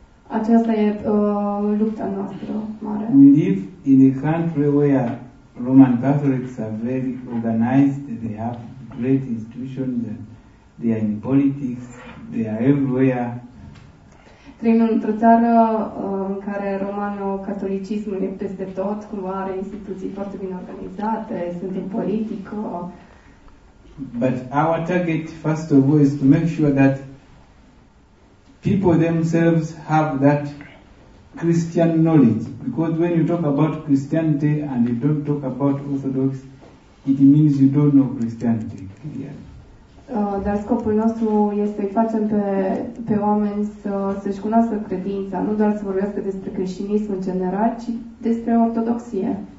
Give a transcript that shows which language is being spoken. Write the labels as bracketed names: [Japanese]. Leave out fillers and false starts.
[Romanian] Aceasta e lupta noastră mare. [English] We live in a country where Roman Catholics are very organized, they have great institutions, they are in politics, they are everywhere. [Romanian] Trăim într-o țară în care romano-catolicismul e peste tot, cumva are instituții foarte bine organizate, sunt în politică. [English] But our target, first of all, is to make sure that people themselves have that Christian knowledge. Because when you talk about Christianity and you don't talk about Orthodox, it means you don't know Christianity. [Romanian] Dar scopul nostru este să-i facem pe oameni să-și cunoască credința, nu doar să vorbească despre creștinism în general, ci despre ortodoxie.